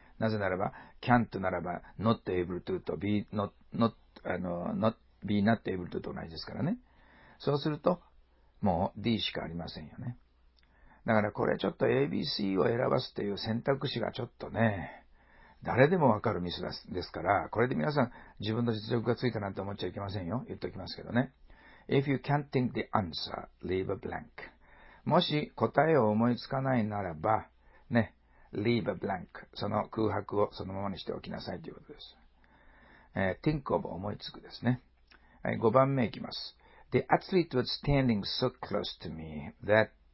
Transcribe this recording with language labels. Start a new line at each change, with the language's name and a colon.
Japanese: なぜならば、can't ならば not able to と be not able to と同じですからね。そうすると、もう D しかありませんよね。だからこれちょっと ABC を選ばすっていう選択肢がちょっとね、誰でもわかるミスですから、これで皆さん自分の実力がついたなんて思っちゃいけませんよ。言っておきますけどね。
English: If you can't think the answer, leave a blank.
Japanese: もし答えを思いつかないならば、ね、 leave a blank. その空白をそのままにしておきなさいということです。 think of 思いつくですね。5番目いきます。
English: The athlete was standing so close to me that...